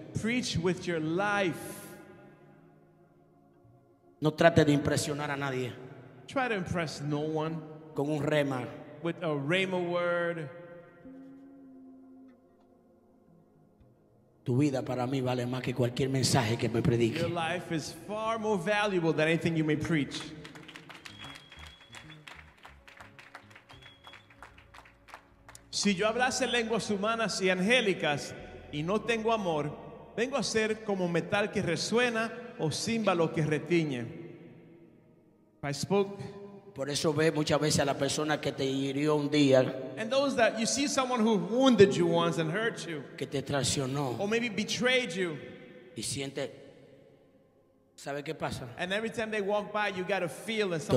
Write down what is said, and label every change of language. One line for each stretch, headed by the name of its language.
English: Preach with your life.
Spanish: No trate de impresionar a nadie.
English: Try to impress no one.
Spanish: Con un rema.
English: With a rema word.
Spanish: Tu vida para mí vale más que cualquier mensaje que me predique.
English: Your life is far more valuable than anything you may preach.
Spanish: Si yo hablase lenguas humanas y angélicas y no tengo amor, vengo a ser como metal que resuena o címbalo que retiñe.
English: I spoke.
Spanish: Por eso ve muchas veces a la persona que te hirió un día.
English: And those that you see someone who wounded you once and hurt you.
Spanish: Que te traicionó.
English: Or maybe betrayed you.
Spanish: Y siente, ¿sabe qué pasa?
English: And every time they walk by, you got a feel in some